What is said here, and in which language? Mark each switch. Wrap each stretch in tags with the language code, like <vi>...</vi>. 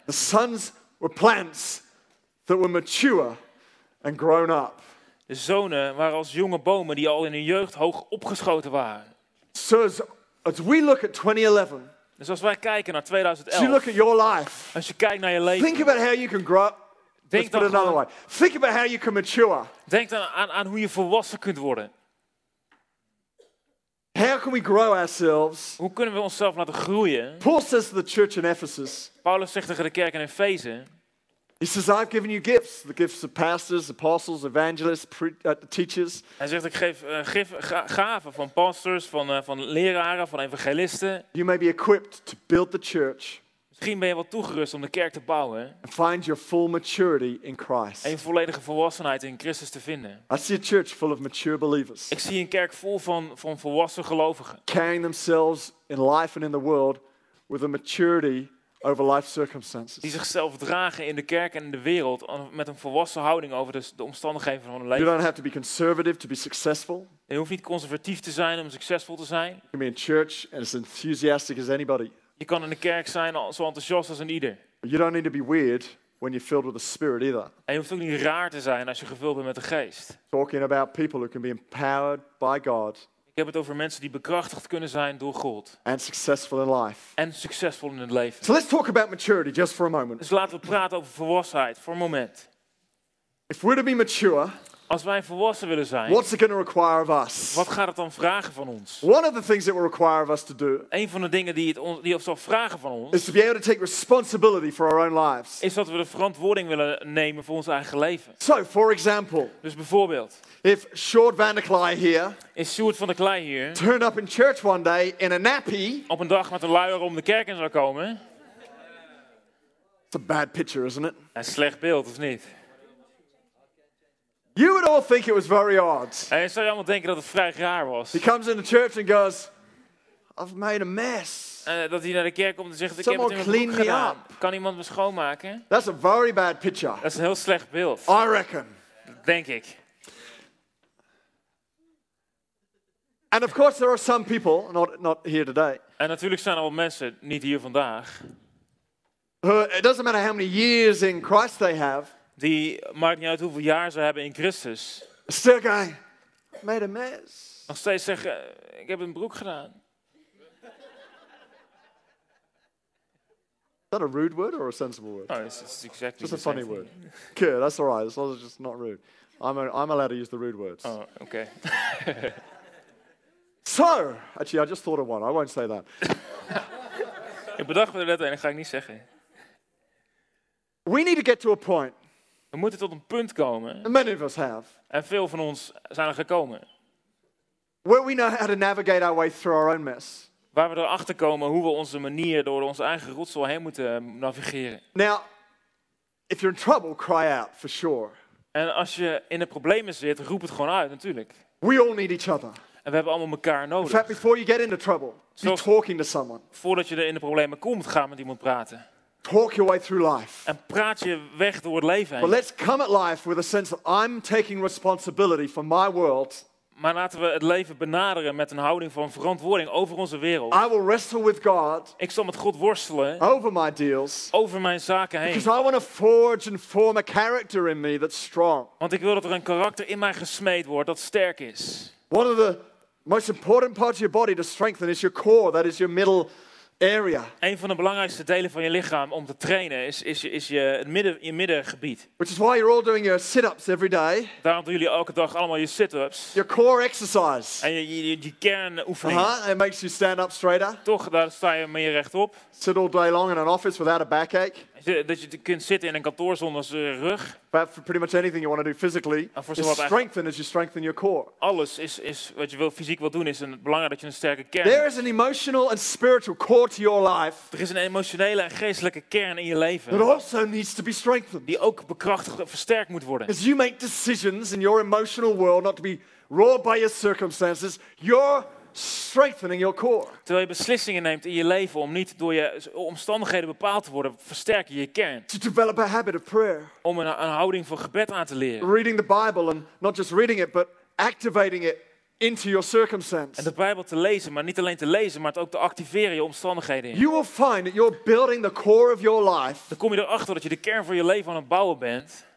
<en>The sons were plants that were mature and grown up.</en> <nl>De zonen waren als jonge bomen die al in hun jeugd hoog opgeschoten waren.</nl> <en>So as we look at 2011.</en> <nl>Dus als wij kijken naar 2011.</nl> <en>You look at your life.</en> <nl>Als je kijkt naar je leven.</nl> <en>Think about how you can grow.</en> <nl>Denk</nl> <en>let's put it another way. Think about how you can mature.</en> <nl>Denk dan aan hoe je volwassen kunt worden.</nl> <en>How can we grow ourselves?</en> <nl>Hoe kunnen we onszelf laten groeien?</nl> <en>Paul says to the church in Ephesus.</en> <nl>Paulus zegt tegen de kerk in Efeze.</nl> <en>He says, "I've given you gifts, the gifts of pastors, apostles, evangelists, teachers."</en> <nl>Hij zegt, ik geef gaven van pastors, van leraren, van evangelisten.</nl> <en>You may be equipped to build the church.</en> <nl>Misschien ben je wel toegerust om de kerk te bouwen.</nl> <en>And find your full maturity in Christ.</en> <nl>En je volledige volwassenheid in Christus te vinden.</nl> <en>I see a church full of mature believers.</en> <nl>Ik zie een kerk vol van volwassen gelovigen.</nl> <en>Carrying themselves in life and in the world with a maturity over life circumstances.</en> <nl>Die zichzelf dragen in de kerk en in de wereld met een volwassen houding over de omstandigheden van hun leven.</nl> <en>You don't have to be conservative to be successful.</en> <nl>Je hoeft niet conservatief te zijn om succesvol te zijn.</nl> <en>You can be in church and as enthusiastic as anybody.</en> <nl>Je kan in de kerk zijn zo enthousiast als een ieder.</nl> <en>You don't need to be weird when you're filled with the Spirit either.</en> <nl>En je hoeft ook niet raar te zijn als je gevuld bent met de Geest.</nl> <en>Talking about people who can be empowered by God.</en> <nl>Ik heb het over mensen die bekrachtigd kunnen zijn door God.</nl> <en>And successful in life.</en> <nl>En succesvol in het leven.</nl> <en>So let's talk about maturity just for a moment.</en> <nl>Dus laten we praten over volwassenheid voor een moment.</nl> <en>If we're to be mature.</en> <nl>Als wij volwassen willen zijn,</nl> <en>what's it going to require of us?</en> <nl>Wat gaat het dan vragen van ons?</nl> <en>One of the things it will require of us to do.</en> <nl>Een van de dingen die het zal vragen van ons.</nl> <en>Is to be able to take responsibility for our own lives.</en> <nl>Is dat we de verantwoording willen nemen voor ons eigen leven.</nl> <en>So, for example.</en> <nl>Dus bijvoorbeeld.</nl> <en>If Sjoerd van der Klei here.</en> <nl>Is Sjoerd van der Klei hier?</nl> <en>Turned up in church one day in a nappy.</en> <nl>Op een dag met een luier om de kerk in zou komen.</nl> <en>It's a bad picture, isn't it?</en> <nl>Een slecht beeld, of niet?</nl> <en>You would all think it was very odd.</en> <nl>En je zou allemaal denken dat het vrij raar was.</nl> <en>He comes in the church and goes, I've made a mess.</en> <nl>En dat hij naar de kerk komt en zegt, ik</nl> <en>someone</en> <nl>heb het in mijn broek gedaan.</nl> <en>Up.</en> <nl>Kan iemand me schoonmaken?</nl> <en>That's a very bad picture.</en> <nl>Dat is een heel slecht beeld.</nl> <en>I reckon.</en> <nl>Denk ik.</nl> <en>And of course there are some people, not here today.</en> <nl>En natuurlijk zijn er wel mensen, niet hier vandaag.</nl> <en>It doesn't matter how many years in Christ they have.</en> <nl>Die maakt niet uit hoeveel jaar ze hebben in Christus.</nl> <en>Still guy, made a mess.</en> <nl>Nog steeds zeggen, ik heb een broek gedaan.</nl> <en>Is that a rude word or a sensible word? Oh, it's exactly just a funny word. Good, that's all right. It's just not rude. I'm allowed to use the rude words. Oh, okay. So, actually, I just thought of one. I won't say that.</en> <nl>Ik bedacht me er net een, dat ga ik niet zeggen.</nl> <en>We need to get to a point.</en> <nl>We moeten tot een punt komen.</nl> <en>And many of us have.</en> <nl>En veel van ons zijn er gekomen.</nl> <en>Where we know how to navigate our way through our own mess.</en> <nl>Waar we erachter komen hoe we onze manier door onze eigen rotzooi heen moeten navigeren.</nl> <en>Now, if you're in trouble, cry out for sure.</en> <nl>En als je in de problemen zit, roep het gewoon uit, natuurlijk.</nl> <en>We all need each other.</en> <nl>En we hebben allemaal elkaar nodig.</nl> <en>In fact, before you get into trouble, be talking to someone.</en> <nl>Voordat je er in de problemen komt, ga met iemand praten.</nl> <en>Talk your way through life.</en> <nl>En praat je weg door het leven heen.</nl> <en>But let's come at life with a sense that I'm taking responsibility for my world.</en> <nl>Maar laten we het leven benaderen met een houding van verantwoording over onze wereld.</nl> <en>I will wrestle with God.</en> <nl>Ik zal met God worstelen.</nl> <en>Over my deals.</en> <nl>Over mijn zaken heen.</nl> <en>Because I want to forge and form a character in me that's strong.</en> <nl>Want ik wil dat er een karakter in mij gesmeed wordt dat sterk is.</nl> <en>One of the most important parts of your body to strengthen is your core, that is your middle area.</en> <nl>Een van de belangrijkste delen van je lichaam om te trainen is je middengebied.</nl> <en>Which is why you're all doing your sit-ups every day.</en> <nl>Daarom doen jullie elke dag allemaal je sit-ups.</nl> <en>Your core exercise.</en> <nl>En je kernoefening.</nl> <en>It makes you stand up straighter.</en> <nl>Toch, daar sta je meer rechtop.</nl> <en>Sit all day long in an office without a backache.</en> <nl>Dat je kunt zitten in een kantoor zonder rug.</nl> <en>But for pretty much anything you want to do physically, strengthen as you strengthen your core.</en> <nl>Alles is wat je fysiek wil doen is het belangrijk dat je een sterke kern.</nl> <en>There is an emotional and spiritual core to your life.</en> <nl>Er is een emotionele en geestelijke kern in je leven.</nl> <en>That also needs to be strengthened.</en> <nl>Die ook bekrachtigd en versterkt moet worden.</nl> <en>As you make decisions in your emotional world not to be ruled by your circumstances, you're strengthening your core.</en> <nl>Terwijl je beslissingen neemt in je leven om niet door je omstandigheden bepaald te worden, versterk je kern.</nl> <en>To develop a habit of prayer.</en> <nl>Om een houding van gebed aan te leren.</nl> <en>Reading the Bible and not just reading it, but activating it into your circumstance.</en> <nl>En de Bijbel te lezen, maar niet alleen te lezen, maar het ook te activeren je omstandigheden in.</nl> <en>You will find that you're building the core of your life.</en> <nl>Dan kom je erachter dat je de kern van je leven aan het bouwen bent.</nl>